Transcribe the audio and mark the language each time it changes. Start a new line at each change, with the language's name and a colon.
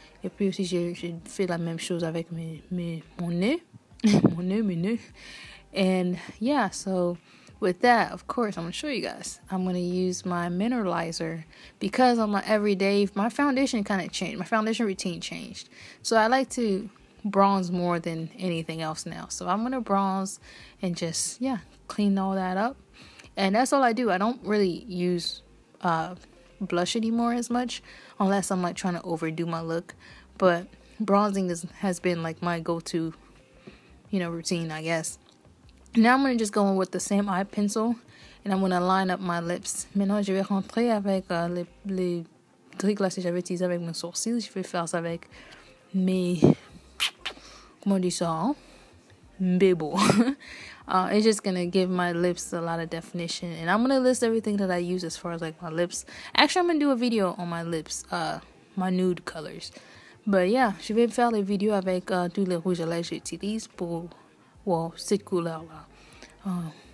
French: Et puis aussi j'ai fait la même chose avec mon nez.
English: And yeah, so with that, of course, I'm going to show you guys. I'm going to use my mineralizer because on my everyday, my foundation kind of changed. My foundation routine changed. So I like to bronze more than anything else now. So I'm going to bronze and just, yeah, clean all that up. And that's all I do. I don't really use blush anymore as much, unless I'm like trying to overdo my look. But bronzing has been like my go-to, you know, routine, I guess. Now I'm gonna just go in with the same eye pencil, and I'm gonna line up my lips.
French: Maintenant, je vais rentrer avec les trucs là que j'avais utilisé avec mes sourcils. Je vais faire ça avec mes, comment on dit ça, hein?
Lingala: Bebo.
English: It's just gonna give my lips a lot of definition, and I'm gonna list everything that I use as far as like my lips. Actually, I'm gonna do a video on my lips, my nude colors. But yeah,
French: je vais faire les vidéos avec tous les rouges à lèvres que j'utilise pour, well, cette couleur là.